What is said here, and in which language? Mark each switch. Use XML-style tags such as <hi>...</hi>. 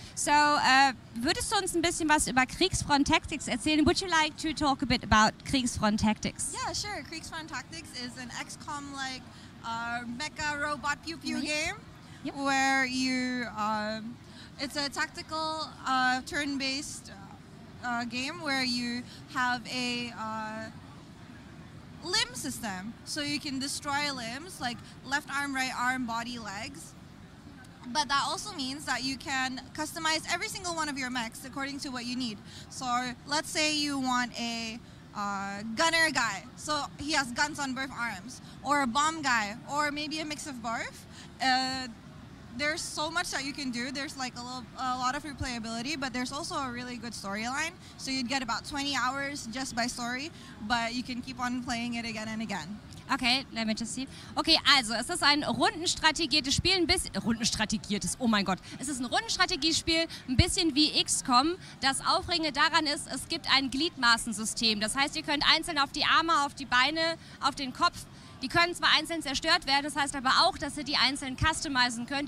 <de>So, würdest du uns ein bisschen was über Kriegsfront Tactics erzählen?</de> <en>Would you like to talk a bit about Kriegsfront Tactics? Yeah, sure. Kriegsfront Tactics is an XCOM-like mecha robot pew-pew game. Yep. Where you, it's a tactical turn-based game where you have a limb system, so you can destroy limbs like left arm, right arm, body, legs. But that also means that you can customize every single one of your mechs according to what you need. So let's say you want a gunner guy, so he has guns on both arms, or a bomb guy, or maybe a mix of both. There's so much that you can do. There's like a lot of replayability, but there's also a really good storyline. So you'd get about 20 hours just by story, but you can keep on playing it again and again. Okay, let me just see.</en> <de>Okay, also es ist ein rundenstrategiertes Spiel, ein bisschen rundenstrategiertes. Oh mein Gott, es ist ein Rundenstrategiespiel, ein bisschen wie XCOM. Das Aufregende daran ist, es gibt ein Gliedmaßensystem. Das heißt, ihr könnt einzeln auf die Arme, auf die Beine, auf den Kopf. Die können zwar einzeln zerstört werden, das heißt aber auch, dass ihr die einzeln customizen könnt.</de>